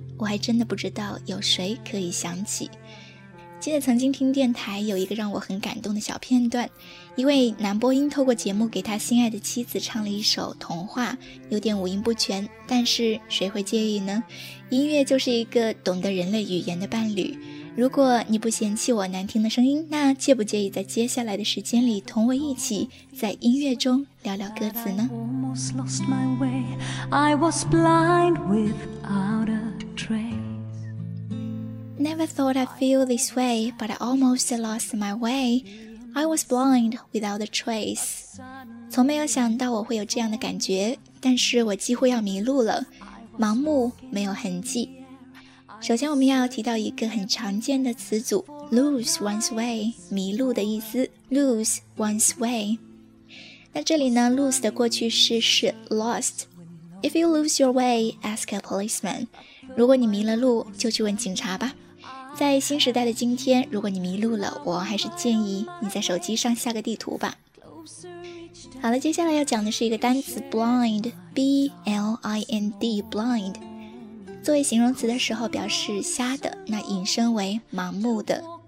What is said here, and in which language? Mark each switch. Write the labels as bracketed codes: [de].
[zh] 还真的不知道有谁可以想起。记得曾经听电台有一个让我很感动的小片段，一位男播音透过节目给他心爱的妻子唱了一首《童话》，有点五音不全，但是谁会介意呢？音乐就是一个懂得人类语言的伴侣。如果你不嫌弃我难听的声音，那介不介意在接下来的时间里同我一起在音乐中聊聊歌词呢？ [en] I almost lost my way, I was blind without a trace. Never thought I'd feel this way, but I almost lost my way. I was blind without a trace. [zh] 从没有想到我会有这样的感觉，但是我几乎要迷路了，盲目没有痕迹。首先我们要提到一个很常见的词组 [en] lose one's way， [zh] 迷路的意思 lose one's way。那这里呢 lose 的过去式是 lost。 [en] If you lose your way, ask a policeman， [zh] 如果你迷了路就去问警察吧。在新时代的今天，如果你迷路了，我还是建议你在手机上下个地图吧。好了，接下来要讲的是一个单词 blind， B-L-I-N-D， blind，作为形容词的时候表示瞎的，那引申为盲目的。